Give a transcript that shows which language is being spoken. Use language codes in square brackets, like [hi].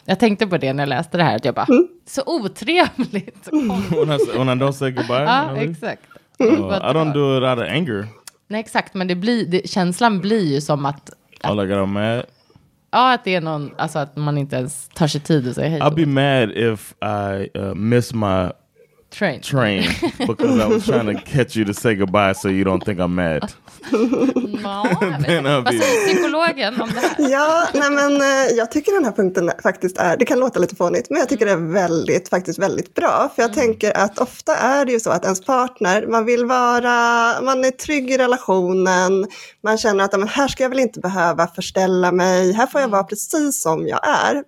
[sv] Jag tänkte på det när jag läste det här, att jag bara, så otrevligt. Och när de säger goodbye. Ja, exakt. [en] I don't do it out of anger. [sv] Nej, exakt, men känslan blir ju som att [en] I like I'm mad. [sv] Ja, att det är någon, alltså att man inte ens tar sig tid och säger hej. [en] I'll be mad if I miss my train because I was trying to catch you to say goodbye so you don't think I'm mad. [sv] Vad säger psykologen om det här? Ja, nej, men jag tycker den här punkten faktiskt är, det kan låta lite fånigt, men jag tycker det är väldigt, faktiskt väldigt bra. För jag tänker att ofta är det ju så att ens partner, man vill vara, man är trygg i relationen, man känner att men här ska jag väl inte behöva förställa mig, här får jag vara precis som jag är.